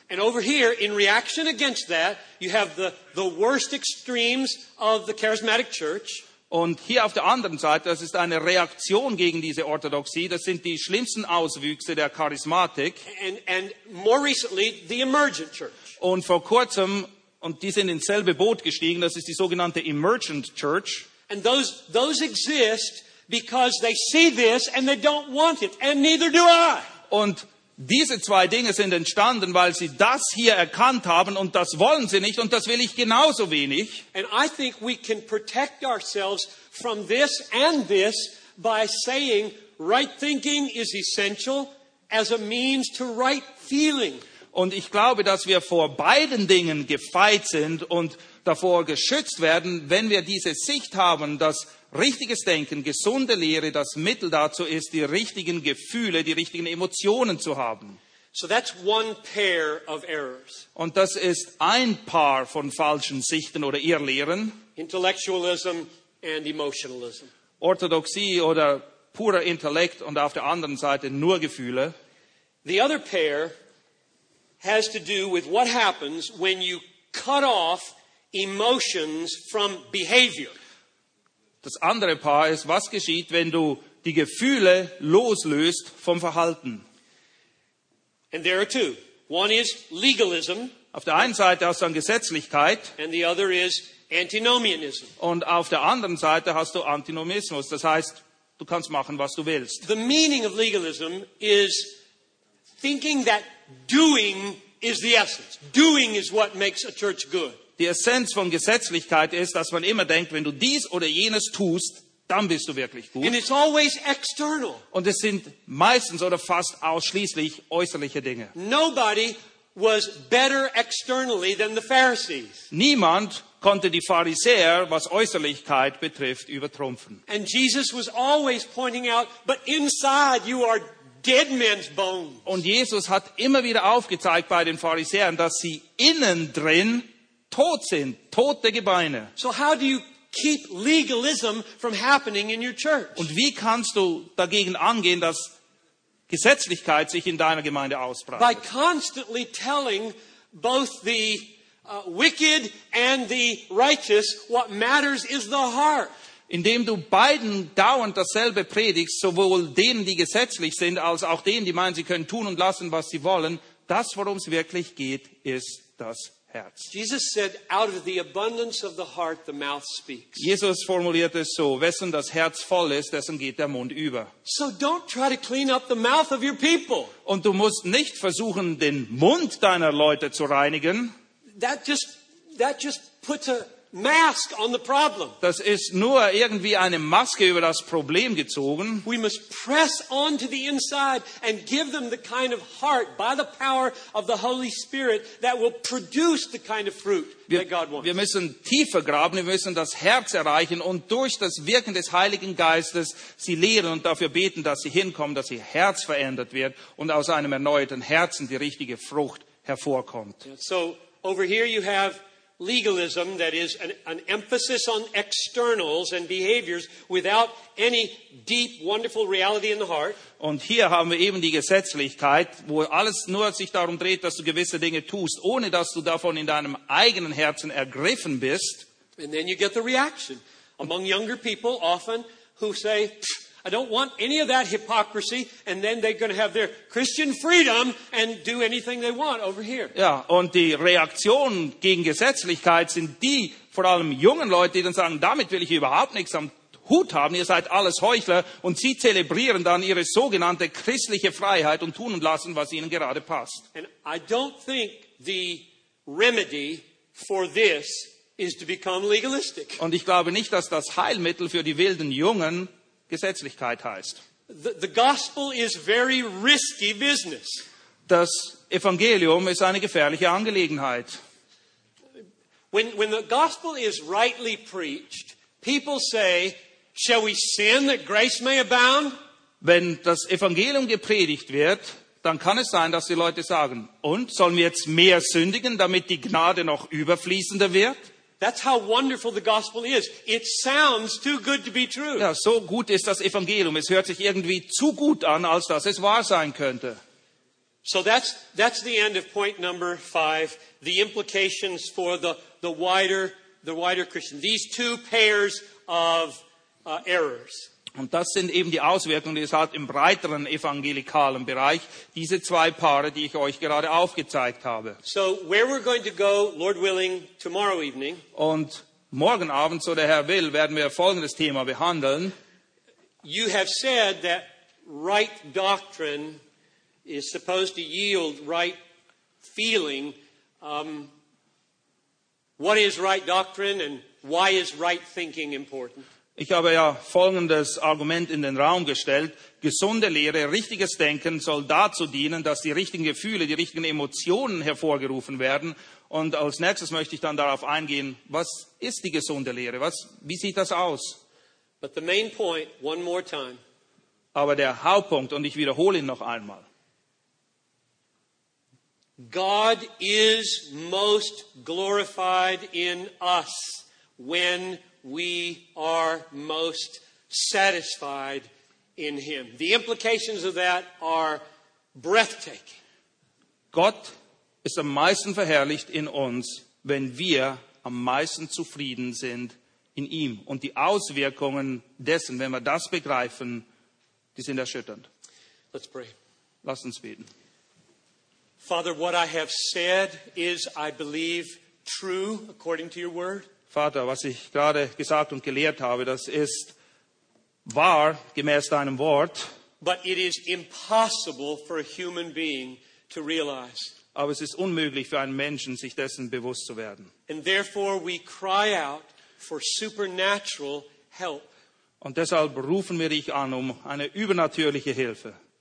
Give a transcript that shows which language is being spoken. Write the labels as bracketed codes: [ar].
[en] And over here, in reaction against that, you have the worst extremes of the charismatic church. [de] Und hier auf der anderen Seite, das ist eine Reaktion gegen diese Orthodoxie, das sind die schlimmsten Auswüchse der Charismatik. [en] And more recently, the emergent church. [de] Und vor kurzem, und die sind ins selbe Boot gestiegen, das ist die sogenannte Emergent Church. [en] And those exist because they see this and they don't want it, and neither do I. [de] Und diese zwei Dinge sind entstanden, weil sie das hier erkannt haben und das wollen sie nicht und das will ich genauso wenig. [en] And I think we can protect ourselves from this and this by saying right thinking is essential as a means to right feeling. [de] Und ich glaube, dass wir vor beiden Dingen gefeit sind und davor geschützt werden, wenn wir diese Sicht haben, dass richtiges Denken, gesunde Lehre das Mittel dazu ist, die richtigen Gefühle, die richtigen Emotionen zu haben. [en] So that's one pair of errors. [de] Und das ist ein Paar von falschen Sichten oder Irrlehren. [en] Intellectualism and emotionalism. [de] Orthodoxie oder purer Intellekt und auf der anderen Seite nur Gefühle. [en] The other pair has to do with what happens when you cut off emotions from behavior. [de] Das andere Paar ist, was geschieht, wenn du die Gefühle loslöst vom Verhalten? [en] And there are two. One is legalism. [de] Auf der einen Seite hast du dann Gesetzlichkeit. [en] And the other is antinomianism. [de] Und auf der anderen Seite hast du Antinomismus. Das heißt, du kannst machen, was du willst. [en] The meaning of legalism is thinking that doing is the essence. Doing is what makes a church good. [de] Die Essenz von Gesetzlichkeit ist, dass man immer denkt, wenn du dies oder jenes tust, dann bist du wirklich gut. [en] And it's always external. [de] Und es sind meistens oder fast ausschließlich äußerliche Dinge. [en] Nobody was better externally than the Pharisees. [de] Niemand konnte die Pharisäer, was Äußerlichkeit betrifft, übertrumpfen. [en] And Jesus was always pointing out, but inside you are dead men's bones. [de] Und Jesus hat immer wieder aufgezeigt bei den Pharisäern, dass sie innen drin tot sind, tote Gebeine. [en] So how do you keep legalism from happening in your church? [de] Und wie kannst du dagegen angehen, dass Gesetzlichkeit sich in deiner Gemeinde ausbreitet? [en] By constantly telling both the wicked and the righteous what matters is the heart. [de] Indem du beiden dauernd dasselbe predigst, sowohl denen, die gesetzlich sind, als auch denen, die meinen, sie können tun und lassen, was sie wollen, das, worum es wirklich geht, ist das Herz. [en] Jesus said, out of the abundance of the heart, the mouth speaks. [de] Jesus formuliert es so, wessen das Herz voll ist, dessen geht der Mund über. [en] So don't try to clean up the mouth of your people. [de] Und du musst nicht versuchen, den Mund deiner Leute zu reinigen. [en] That just puts a mask on the problem. [de] Das ist nur irgendwie eine Maske über das Problem gezogen. [en] We must press on to the inside and give them the kind of heart by the power of the Holy Spirit that will produce the kind of fruit that God wants. [de] Wir müssen tiefer graben, wir müssen das Herz erreichen und durch das Wirken des Heiligen Geistes sie lehren und dafür beten, dass sie hinkommen, dass ihr Herz verändert wird und aus einem erneuerten Herzen die richtige Frucht hervorkommt. [en] So over here you have legalism, that is an emphasis on externals and behaviors without any deep, wonderful reality in the heart. [de] Und hier haben wir eben die Gesetzlichkeit, wo alles nur sich darum dreht, dass du gewisse Dinge tust, ohne dass du davon in deinem eigenen Herzen ergriffen bist. [en] And then you get the reaction among younger people often who say, I don't want any of that hypocrisy, and then they're going to have their Christian freedom and do anything they want over here. [de] Ja, und die Reaktion gegen Gesetzlichkeit sind die vor allem jungen Leute, die dann sagen, damit will ich überhaupt nichts am Hut haben, ihr seid alles Heuchler, und sie zelebrieren dann ihre sogenannte christliche Freiheit und tun und lassen, was ihnen gerade passt. [en] And I don't think the remedy for this is to become legalistic. [de] Und ich glaube nicht, dass das Heilmittel für die wilden Jungen Gesetzlichkeit heißt. [en] The gospel is very risky business. [de] Das Evangelium ist eine gefährliche Angelegenheit. [en] When the gospel is rightly preached, people say, shall we sin that grace may abound? [de] Wenn das Evangelium gepredigt wird, dann kann es sein, dass die Leute sagen, und sollen wir jetzt mehr sündigen, damit die Gnade noch überfließender wird? [en] That's how wonderful the gospel is. It sounds too good to be true. [de] Ja, so gut ist das Evangelium. Es hört sich irgendwie zu gut an, als dass es wahr sein könnte. [en] So that's the end of point number 5, the implications for the wider Christian. These two pairs of errors. [de] Und das sind eben die Auswirkungen, die es hat im breiteren evangelikalen Bereich, diese zwei Paare, die ich euch gerade aufgezeigt habe. [en] So where we're going to go, Lord willing, tomorrow evening. [de] Und morgen Abend, so der Herr will, werden wir folgendes Thema behandeln. [en] You have said that right doctrine is supposed to yield right feeling. What is right doctrine and why is right thinking important? [de] Ich habe ja folgendes Argument in den Raum gestellt. Gesunde Lehre, richtiges Denken soll dazu dienen, dass die richtigen Gefühle, die richtigen Emotionen hervorgerufen werden. Und als nächstes möchte ich dann darauf eingehen, was ist die gesunde Lehre? Wie sieht das aus? [en] But the main point, one more time. [de] Aber der Hauptpunkt, und ich wiederhole ihn noch einmal. [en] God is most glorified in us when we are most satisfied in him. The implications of that are breathtaking. [de] Gott ist am meisten verherrlicht in uns, wenn wir am meisten zufrieden sind in ihm. Und die Auswirkungen dessen, wenn wir das begreifen, die sind erschütternd. [en] Let's pray. [de] Lass uns beten. [en] Father, what I have said is, I believe, true according to your word. [de] Vater, was ich gerade gesagt und gelehrt habe, das ist wahr gemäß deinem Wort. [en] But it is impossible for a human being to realize. [de] Aber es ist unmöglich für einen Menschen, sich dessen bewusst zu werden. [en] And therefore we cry out for supernatural help. [de] Und deshalb rufen wir dich an um eine übernatürliche Hilfe.